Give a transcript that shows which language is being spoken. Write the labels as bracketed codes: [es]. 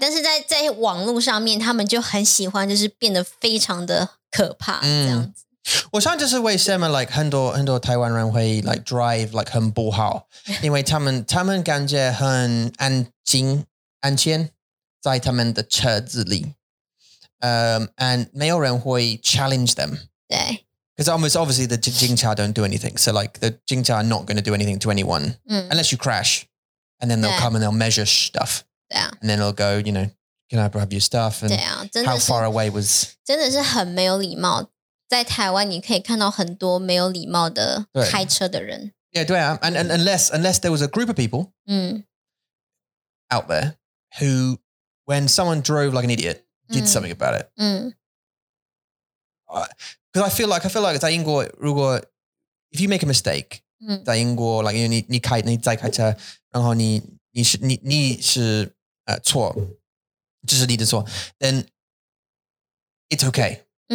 [zh] 但是在网络上面他们就很喜欢就是变得非常的可怕这样子。我想就是为什么 like 很多台湾人会 like drive like 很不好。因为他们感觉很安静在他们的车子里。 And 没有人会 [en] challenge them. [zh] 对。 [en] Because almost obviously the Jingcha don't do anything. So like the Jingcha are not going to do anything to anyone. Unless you crash. And then they'll come and they'll measure stuff. Yeah. And then they'll go, you know, can I grab your stuff? And how far away was... [zh] 真的是很没有礼貌。在台湾你可以看到很多没有礼貌的开车的人。 Yeah, 对啊。 [en] And unless there was a group of people out there who, when someone drove like an idiot, did something about it. Because I feel like [zh] 在英国如果 [en] if you make a mistake, [zh] 在英国 like 你在开车，然后你是错，就是你的错 ， [en] then it's okay.